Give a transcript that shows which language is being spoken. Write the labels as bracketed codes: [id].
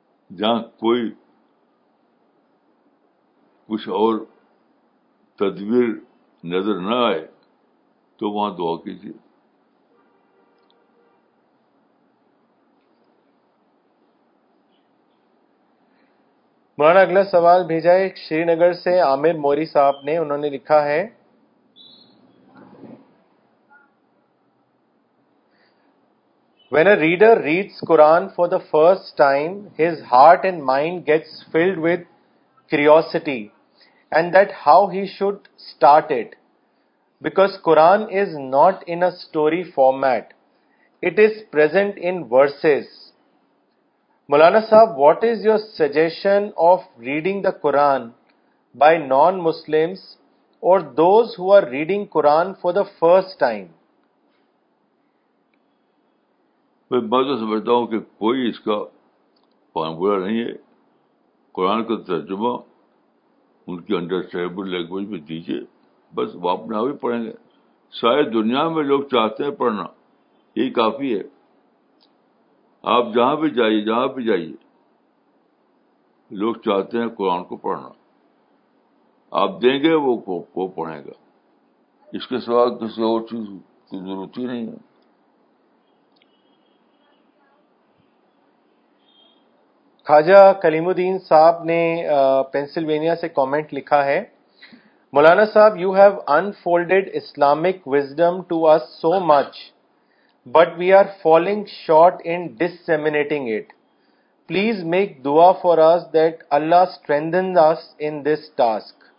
[ur] جہاں کوئی کچھ اور تدبیر نظر نہ آئے تو وہاں دعا کیجیے. مولانا اگلا سوال بھیجا ہے شری نگر سے عامر موری صاحب نے. انہوں نے لکھا ہے, [en] When a reader reads Quran for the first time, his heart and mind gets filled with curiosity and that how he should start it. Because Quran is not in a story format. It is present in verses. Maulana Sahab, what is your suggestion of reading the Quran by non-Muslims or those who are reading Quran for the first time? [ur] میں تو سمجھتا ہوں کہ کوئی اس کا formula نہیں ہے. قرآن کا ترجمہ ان کی انڈرسٹینڈیبل لینگویج میں دیجیے, بس وہ اپنے آپ ہی پڑھیں گے. ساری دنیا میں لوگ چاہتے ہیں پڑھنا, یہ کافی ہے. آپ جہاں بھی جائیے, جہاں بھی جائیے, لوگ چاہتے ہیں قرآن کو پڑھنا. آپ دیں گے وہ پڑھیں گا. اس کے سوا کسی اور چیز کی ضرورت ہی نہیں ہے. خواجہ کلیم الدین صاحب نے پینسلوینیا سے کامنٹ لکھا ہے, [en] Maulana Sahab, you have unfolded Islamic wisdom to us so much, but we are falling short in disseminating it. Please make dua for us that Allah strengthens us in this task.